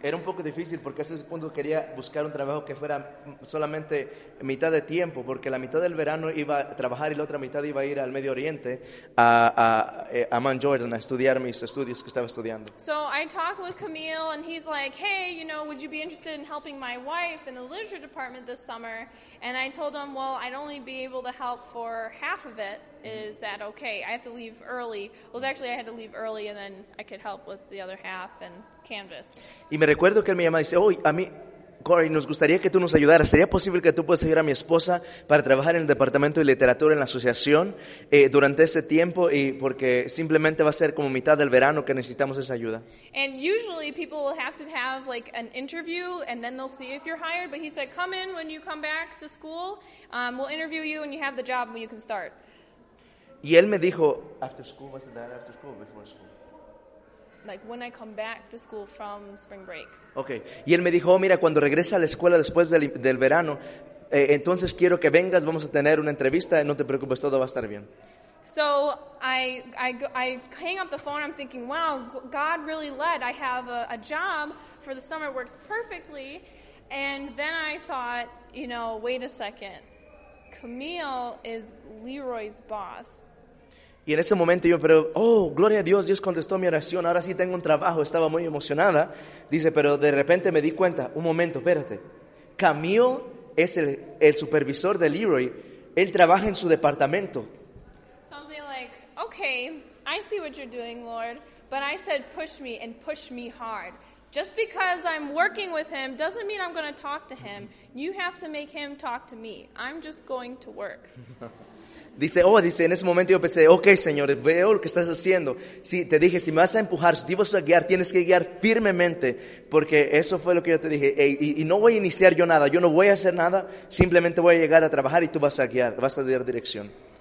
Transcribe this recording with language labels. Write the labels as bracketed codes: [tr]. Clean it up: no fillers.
[es] Era un poco difícil porque hasta ese punto quería buscar un trabajo que fuera solamente mitad de tiempo, porque la mitad del verano iba a trabajar y la otra mitad iba a ir al Medio Oriente a Amman, Jordan, a estudiar mis estudios que estaba estudiando. [en] So I talked with Camille and he's like, hey, you know, would you be interested in helping my wife in the literature department this summer? And I told him, well, I'd only be able to help for half of it. Is that okay? I have to leave early. Well, actually, I had to leave early, and then I could help with the other half and canvas. [es] Y me recuerdo que él me llama y dice, oh, a mí, Corey, nos gustaría que tú nos ayudaras. ¿Sería posible que tú puedas ayudar a mi esposa para trabajar en el departamento de literatura en la asociación durante ese tiempo? Y porque simplemente va a ser como mitad del verano que necesitamos esa ayuda. [en] And usually people will have to have like an interview and then they'll see if you're hired. But he said, come in when you come back to school. We'll interview you and you have the job when you can start. [es] Y él me dijo, [en] after school, was it that after school or before school? Like when I come back to school from spring break. Okay. [es] Y él me dijo, mira, cuando regresa a la escuela después del verano, entonces quiero que vengas, vamos a tener una entrevista, no te preocupes, todo va a estar bien. [en] So I hang up the phone, I'm thinking, wow, God really led. I have a job for the summer, works perfectly. And then I thought, you know, wait a second. Camille is Leroy's boss. [es] Y en ese momento yo, pero, oh, gloria a Dios, Dios contestó mi oración, ahora sí tengo un trabajo, estaba muy emocionada. Dice, pero de repente me di cuenta, un momento, espérate, Camille es el supervisor de Leroy, él trabaja en su departamento. [en] Sounds like, okay, I see what you're doing, Lord, but I said push me and push me hard. Just because I'm working with him doesn't mean I'm going to talk to him. You have to make him talk to me. I'm just going to work. [es] Dice, oh, dice, en ese momento yo pensé, okay, señores, veo lo que estás haciendo. Sí, te dije, si me vas a empujar, si te vas a guiar, tienes que guiar firmemente, porque eso fue lo que yo te dije. Y no voy a iniciar yo nada, yo no voy a hacer nada, simplemente voy a llegar a trabajar y tú vas a guiar, vas a dar dirección.